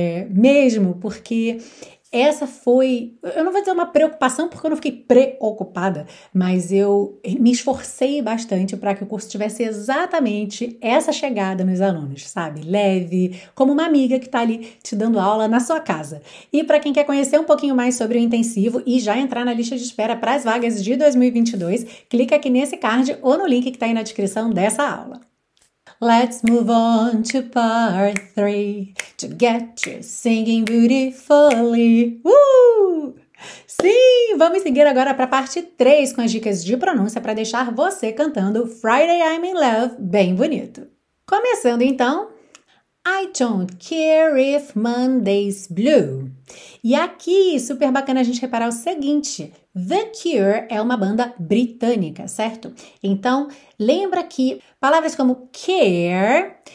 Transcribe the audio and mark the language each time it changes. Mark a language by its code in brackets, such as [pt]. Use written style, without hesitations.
[pt] Mesmo porque essa foi, eu não vou dizer uma preocupação, porque eu não fiquei preocupada, mas eu me esforcei bastante para que o curso tivesse exatamente essa chegada nos alunos, sabe? Leve, como uma amiga que está ali te dando aula na sua casa. E para quem quer conhecer um pouquinho mais sobre o intensivo e já entrar na lista de espera para as vagas de 2022, clica aqui nesse card ou no link que está aí na descrição dessa aula. [en] Let's move on to part three to get you singing beautifully. [pt] Sim, vamos seguir agora para a parte 3 com as dicas de pronúncia para deixar você cantando Friday I'm in Love bem bonito. Começando então, [en] I don't care if Monday's blue. [pt] E aqui, super bacana a gente reparar o seguinte: The Cure é uma banda britânica, certo? Então, lembra que palavras como care